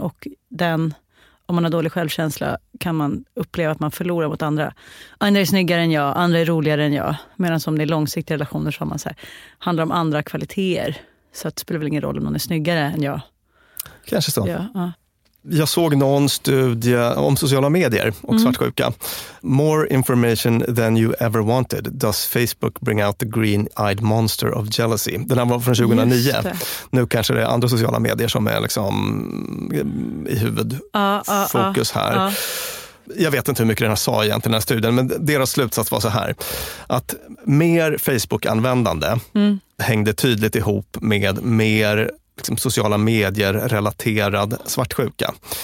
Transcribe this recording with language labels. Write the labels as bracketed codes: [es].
[sv] Och den, om man har dålig självkänsla, kan man uppleva att man förlorar mot andra. Andra är snyggare än jag, andra är roligare än jag. Medan om det är långsiktiga relationer så har man så här, handlar om andra kvaliteter Så det spelar väl ingen roll om någon är snyggare än jag. Kanske så. Ja, ja. Jag såg någon studie om sociala medier och svartsjuka. [en] More information than you ever wanted. Does Facebook bring out the green-eyed monster of jealousy? [sv] Den här var från 2009. Nu kanske det är andra sociala medier som är liksom i huvudfokus här. Jag vet inte hur mycket den här sa egentligen, den här studien, men deras slutsats var så här. Att mer Facebook-användande hängde tydligt ihop med mer liksom sociala medier relaterad svartsjuka.